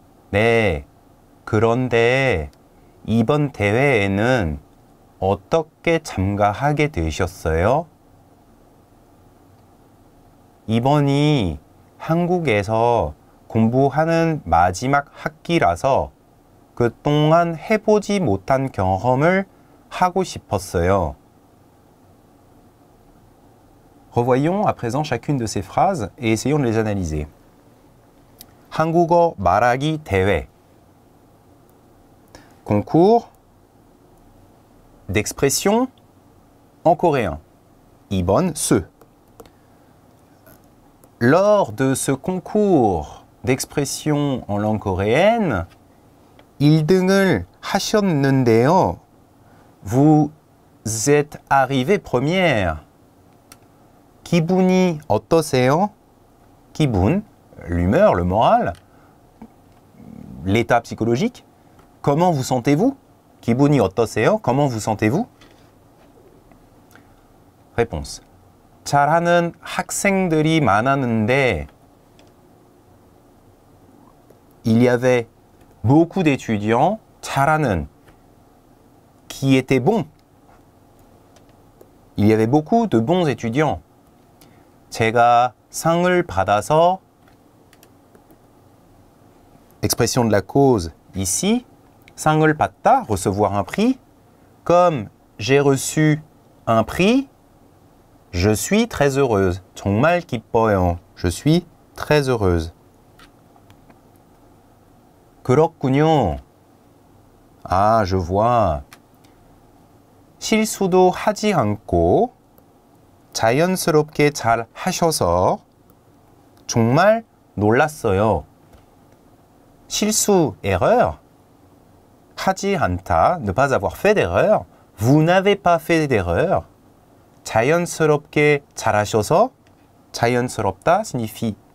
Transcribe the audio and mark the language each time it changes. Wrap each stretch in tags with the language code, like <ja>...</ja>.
<ko>네, 그런데 이번 대회에는 어떻게 참가하게 되셨어요? 이번이 한국에서 공부하는 마지막 학기라서 그동안 해보지 못한 경험을 하고 싶었어요.</ko> <fr>Revoyons à présent chacune de ces phrases et essayons de les analyser.</fr> <ko>한국어 말하기 대회</ko> <fr>Concours d'expression en coréen.</fr> <ko>이번</ko> <fr>ce. Lors de ce concours d'expression en langue coréenne,</fr> <ko>1등을 하셨는데요.</ko> <fr>Vous êtes arrivée première.</fr> <ko>기분이 어떠세요? 기분,</ko> <fr>l'humeur, le moral, l'état psychologique. Comment vous sentez-vous?</fr> <ko>기분이 어떠세요?</ko> <fr>Comment vous sentez-vous? Réponse.</fr> <ko>잘하는 학생들이 많았는데</ko> <fr>Il y avait beaucoup d'étudiants</fr> <ko>잘하는</ko> <fr>qui étaient bons. Il y avait beaucoup de bons étudiants.</fr> <ko>제가 상을 받아서</ko> <fr>expression de la cause ici</fr> <ko>상을 받다,</ko> <fr>recevoir un prix. Comme j'ai reçu un prix, je suis très heureuse.</fr> <ko>정말 기뻐요.</ko> <fr>Je suis très heureuse.</fr> <ko>그렇군요.</ko> <fr>아, je vois.</fr> <ko>실수도 하지 않고 자연스럽게 잘 하셔서 정말 놀랐어요. 실수,</ko> <fr>erreur.</fr> <ko>하지 않다,</ko> <fr>ne pas avoir fait d'erreur. Vous n'avez pas fait d'erreur.</fr> <ko>자연스럽게 잘하셔서, 자연스럽다</ko> <fr>signifie</fr>